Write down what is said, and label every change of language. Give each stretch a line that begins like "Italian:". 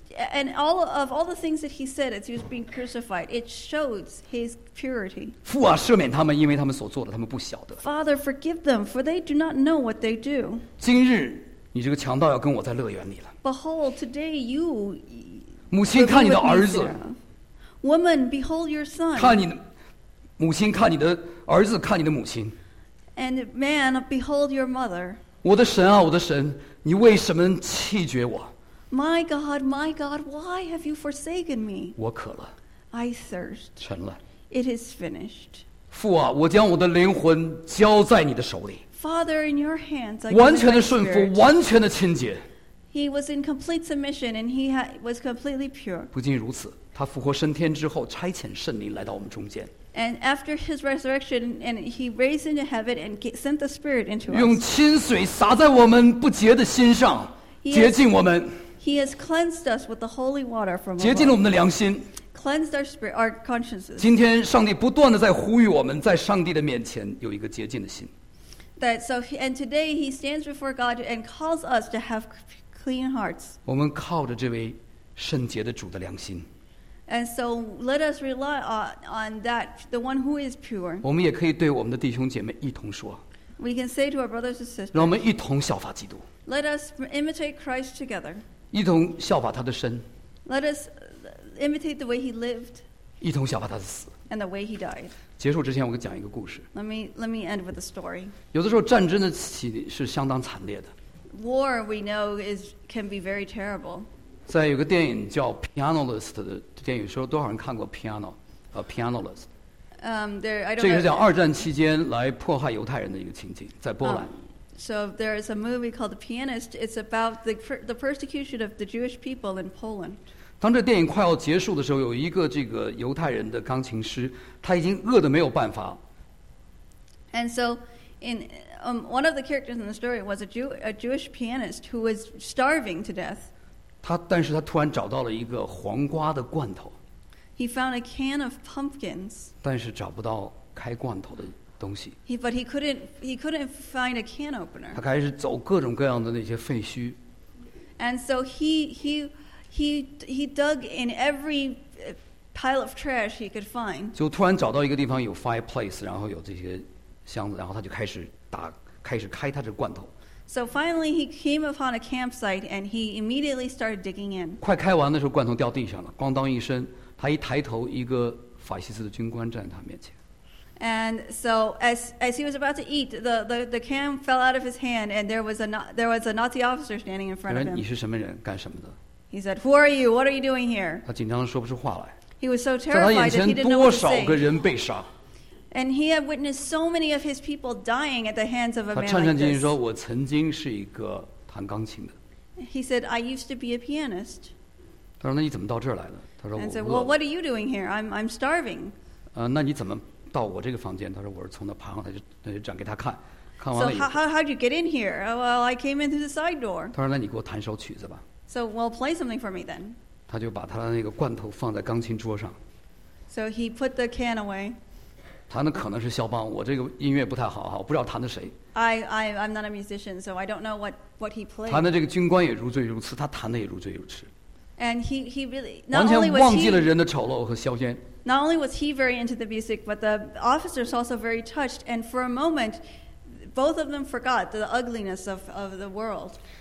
English: And all of all the things that he said as he was being crucified, it shows his purity.
Chinese: 父啊，赦免他们，因为他们所做的，他们不晓得。
English: Father, forgive them, for they do not know what they do.
Chinese: 今日，你这个强盗要跟我在乐园里了。
English: Behold, today you.
Chinese: 母亲，看你的儿子。
English: Woman, behold your son.
Chinese: 看你的母亲，看你的儿子，看你的母亲。
English: And man, behold your mother.
Chinese: 我的神啊，我的神，你为什么弃绝我？
English: my God, why have you forsaken me?
Chinese: 我渴了。
English: I thirst.
Chinese: 成了。
English: It is finished.
Chinese: 父啊，我将我的灵魂交在你的手里。
English: Father, in your hands, I give my spirit.
Chinese: 完全的顺服，完全的清洁。
English: He was in complete submission, and he was completely pure.
Chinese: 不仅如此，他复活升天之后，差遣圣灵来到我们中间。
English: And after his resurrection, and he raised into heaven and sent the Spirit into us.
Chinese: 用清水洒在我们不洁的心上，洁净我们。
English: He has cleansed us with the holy water from above.
Chinese: 洁净了我们的良心。
English: Cleansed our spirit, our consciences.
Chinese: 今天上帝不断地在呼吁我们在上帝的面前有一个洁净的心。
English: That so, and today he stands before God and calls us to have clean hearts.
Chinese: 我们靠着这位圣洁的主的良心。
English: And so let us rely on that, the one who is pure.
Chinese: 我们也可以对我们的弟兄姐妹一同说。
English: We can say to our brothers and sisters.
Chinese: 让我们一同效法基督。
English: Let us imitate Christ together.
Chinese: 一同效法他的生。
English: Let us imitate the way he lived.
Chinese: 一同效法他的死。
English: And the way he died.
Chinese: 结束之前，我给讲一个故事。
English: Let me end with a story.
Chinese: 有的时候战争的起是相当惨烈的。
English: War we know is can be very terrible.
Chinese: 在有个电影叫《Pianolist》的电影，说多少人看过《Piano》啊，《Pianolist》。
English: There I don't know.
Chinese: 这个是讲二战期间来迫害犹太人的一个情景，在波兰。
English: So there is a movie called The Pianist. It's about the persecution of the Jewish people in Poland.
Chinese: 当这电影快要结束的时候，有一个这个犹太人的钢琴师，他已经饿得没有办法。
English: And so, in one of the characters in the story was a Jewish pianist who was starving to death.
Chinese: 但是他突然找到了一个黄瓜的罐头。
English: He found a can of pumpkins.
Chinese: 但是找不到开罐头的。东西
English: But he couldn't find a can opener.
Chinese: 他开始走各种各样的那些废墟。
English: And so he dug in every pile of trash he could find.
Chinese: 就突然找到一个地方有 fireplace， 然后有这些箱子，然后他就开始开他这罐头。
English: So finally he came upon a campsite and he immediately started digging in.
Chinese: 快开完的时候，罐头掉地上了，咣当一声。他一抬头，一个法西斯的军官站在他面前。
English: And so as he was about to eat, the can fell out of his hand, and there was a Nazi officer standing in front of him.
Chinese: 你是什么人干什么的?
English: He said, who are you? What are you doing here? He was so terrified that he didn't know what to say. And he had witnessed so many of his people dying at the hands of a man like this. He said, I used to be a pianist.
Chinese: 他说,
English: and said, well, what are you doing here? I'm starving.
Chinese: 那你怎么到我这个房间?他说我是从那爬上来就讲给他看。
English: So how'd you get in here? Well, I came in through the side door.
Chinese: 他说那你给我弹首曲子吧。
English: So, well, play something for me then.
Chinese: 他就把他的那个罐头放在钢琴桌上。
English: So he put the can away.
Chinese: 弹的可能是肖邦, 我这个音乐不太好, 我不知道弹的谁。
English: I'm not a musician, so I don't know what he played.
Chinese: 弹的这个军官也如醉如痴, 他弹的也如醉如痴。
English: And he really, not only was he,
Chinese: 人的丑陋和嚣尖,
English: not only was he very into the music, but the officers also very touched. And for a moment, both of them forgot the ugliness of the world.